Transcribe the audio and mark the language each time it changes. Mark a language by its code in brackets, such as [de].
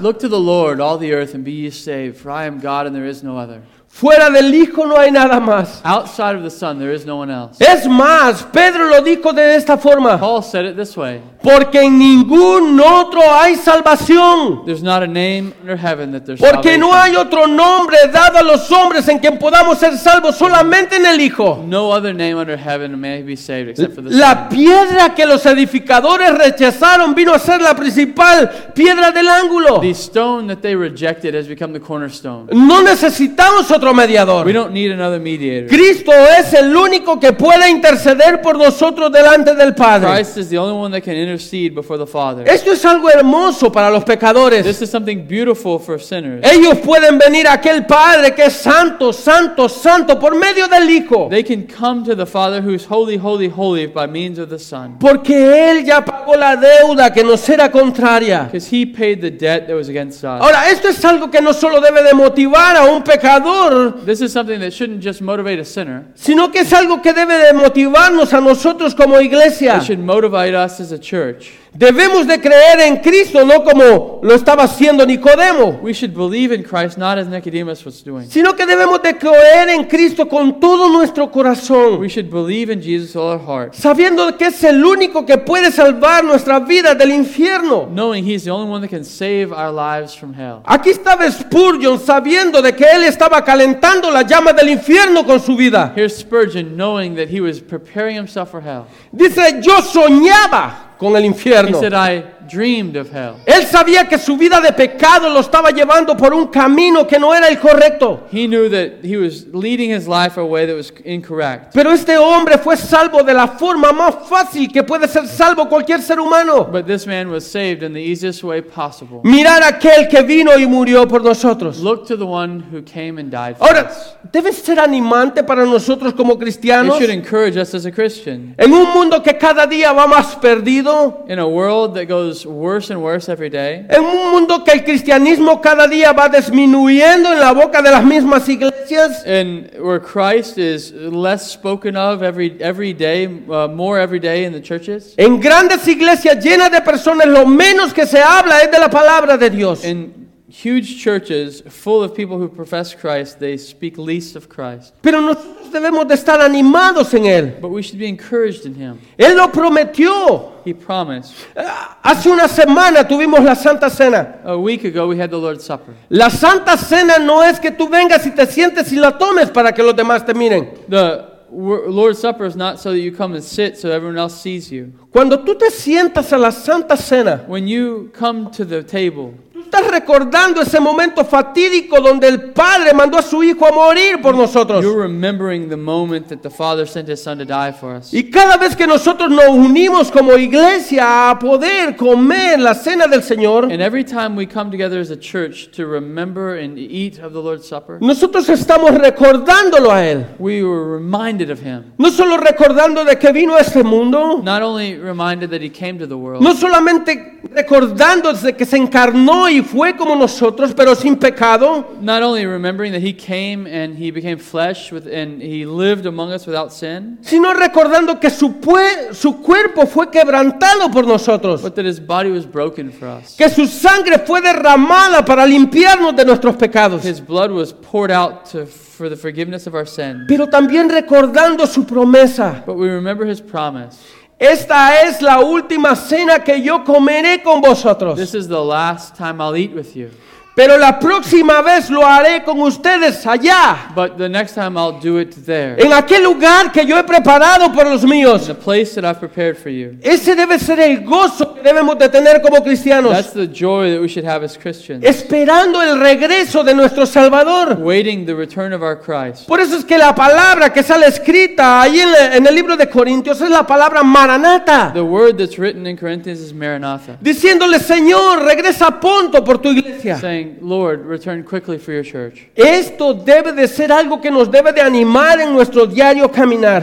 [en] Look to the Lord, all the earth, and be ye saved, for I am God and there is no other. [es] Fuera del Hijo no hay nada más. [en] Outside of the Son, there is no one else. [es] Es más, Pedro lo dijo de esta forma. [en] Paul said it this way. [es] Porque en ningún otro hay salvación. [en] There's not a name under heaven that there's [es] Porque [en] salvation. [es] No hay otro nombre dado a los hombres en quien podamos ser salvos, solamente en el Hijo. [en] No other name under heaven may be saved except for the [es] La [en] Son. [es] Piedra que los edificadores rechazaron vino a ser la principal piedra del ángulo. [en] The stone that they rejected has become the cornerstone. [es] No necesitamos otro mediador. [en] We don't need another mediator. [es] Cristo es el único que puede interceder por nosotros delante del Padre. [en] Christ is the only one that can intercede before the Father. [es] Esto es algo hermoso para los pecadores. [en] This is something beautiful for sinners. [es] Ellos pueden venir a aquel Padre que es santo, santo, santo por medio del Hijo. [en] They can come to the Father who is holy, holy, holy by means of the Son. [es] Porque Él ya pagó la deuda que nos era contraria. [en] Because He paid the debt that was against us. [es] Ahora, esto es algo que no solo debe de motivar a un pecador. [en] This is something that shouldn't just motivate a sinner. [es] Sino que es algo que debe de motivarnos a nosotros como iglesia. [en] It should motivate us as a church. [es] Debemos de creer en Cristo, no como lo estaba haciendo Nicodemo. [en] We should believe in Christ, not as Nicodemus was doing. [es] Sino que debemos de creer en Cristo con todo nuestro corazón. [en] We should believe in Jesus with all our heart. [es] Sabiendo que es el único que puede salvar nuestra vida del infierno. [en] Knowing he's the only one that can save our lives from hell. [es] Aquí estaba Spurgeon sabiendo de que él estaba calentando la llama del infierno con su vida. [en] Here's Spurgeon knowing that he was preparing himself for hell. [es] Dice, yo soñaba con el infierno. [en] He said, I dreamed of hell. [es] Él sabía que su vida de pecado lo estaba llevando por un camino que no era el correcto. [en] He knew that he was leading his life a way that was incorrect. [es] Pero este hombre fue salvo de la forma más fácil que puede ser salvo cualquier ser humano. [en] But this man was saved in the easiest way possible. [es] Mirar aquel que vino y murió por nosotros. [en] Look to the one who came and died for [es] Ahora, [en] us. [es] Debe ser animante para nosotros como cristianos. [en] It should encourage us as a Christian. [es] En un mundo que cada día va más perdido. [en] In a world that goes worse and worse every day. [es] En un mundo que el cristianismo cada día va disminuyendo en la boca de las mismas iglesias. [en] And where Christ is less spoken of more every day in the churches. [es] En grandes iglesias llenas de personas, lo menos que se habla es de la palabra de Dios. [en] In huge churches full of people who profess Christ, they speak least of Christ. [es] Pero nosotros debemos de estar animados en Él. [en] But we should be encouraged in Him. [es] Él lo prometió. [en] He promised. [es] Hace una semana tuvimos la Santa Cena. [en] A week ago we had the Lord's Supper. [es] La Santa Cena no es que tú vengas y te sientes y la tomes para que los demás te miren. [en] The Lord's Supper is not so that you come and sit so everyone else sees you. [es] Cuando tú te sientas a la Santa Cena, [en] when you come to the table, [es] estás recordando ese momento fatídico donde el Padre mandó a su Hijo a morir por nosotros. [en] You're remembering the moment that the Father sent His Son to die for us. [es] Y cada vez que nosotros nos unimos como iglesia a poder comer la cena del Señor, [en] and every time we come together as a church to remember and eat of the Lord's Supper, [es] nosotros estamos recordándolo a Él. [en] We were reminded of Him. [es] No solo recordando de que vino a este mundo, [en] not only reminded that He came to the world, [es] no solamente recordando de que se encarnó y fue como nosotros, pero sin pecado. [en] Not only remembering that He came and He became flesh with, and He lived among us without sin, [es] sino recordando que su cuerpo fue quebrantado por nosotros. [en] But that His body was broken for us. [es] Que su sangre fue derramada para limpiarnos de nuestros pecados. [en] His blood was poured out for the forgiveness of our sins. [es] Pero también recordando su promesa. [en] But we remember His promise. [es] Esta es la última cena que yo comeré con vosotros. [en] This is the last time I'll eat with you. [es] Pero la próxima vez lo haré con ustedes allá. [en] But the next time I'll do it there. [es] En aquel lugar que yo he preparado por los míos. [en] In the place that I've prepared for you. [es] Ese debe ser el gozo que debemos de tener como cristianos. [en] That's the joy that we should have as Christians. [es] Esperando el regreso de nuestro Salvador. [en] Waiting the return of our Christ. [es] Por eso es que la palabra que sale escrita ahí en el libro de Corintios es la palabra Maranatha. [en] The word that's written in Corinthians is Maranatha. [es] Diciéndole, Señor, regresa pronto por tu iglesia. [en] Lord, return quickly for your church. [es] Esto debe de ser algo que nos debe de animar en nuestro diario caminar.